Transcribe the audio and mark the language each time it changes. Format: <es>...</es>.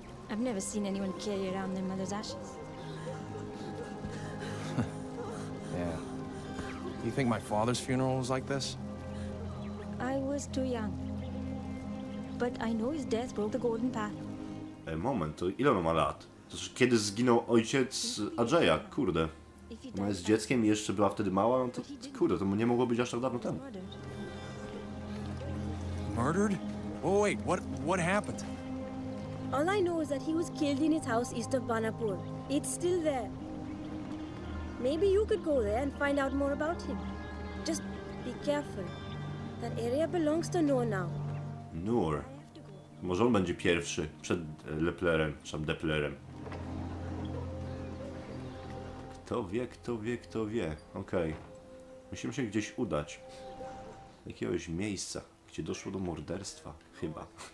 <en>I've never seen anyone carry around their mother's ashes. Yeah. You think my father's funeral was like this? I was too young. But I know his death broke the golden path.</en> <pl>Ej, moment, to ile ma lat? To już kiedy zginął ojciec Ajaya? Kurde. Ona jest dzieckiem i jeszcze była wtedy mała, no to kurde, to nie mogło być aż tak dawno temu.</pl> <en>Murdered? Oh wait, what happened? All I know is that he was killed in his house east of Banapur. It's still there. Maybe you could go there and find out more about him. Just be careful. That area belongs to Noor now. Noor.</en> <pl>Może on będzie pierwszy przed Leplerem, czy tam Deplerem. Kto wie, kto wie, kto wie. Okej. Okay. Musimy się gdzieś udać. Jakiegoś miejsca, gdzie doszło do morderstwa. Chyba.</pl>